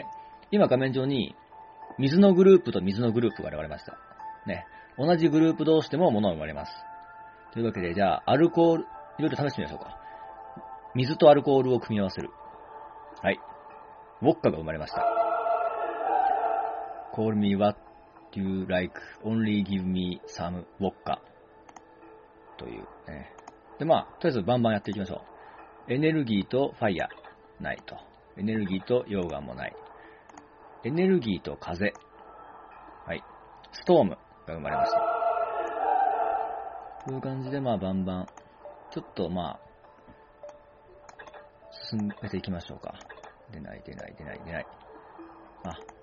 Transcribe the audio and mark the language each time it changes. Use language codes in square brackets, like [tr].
[ja] で、今画面上に、水のグループと水のグループが現れました。ね。同じグループ同士でも物が生まれます。というわけで、じゃあ、アルコール、いろいろ試してみましょうか。水とアルコールを組み合わせる。はい。ウォッカが生まれました。 [en] Call me what you like, only give me some vodka. [ja] というね。で、まあ、とりあえずバンバンやっていきましょう。エネルギーとファイヤーないと。エネルギーと溶岩もない。エネルギーと風。はい。ストームが生まれました。という感じで、まあ、バンバン、ちょっとまあ、進めていきましょうか。出ない。あ。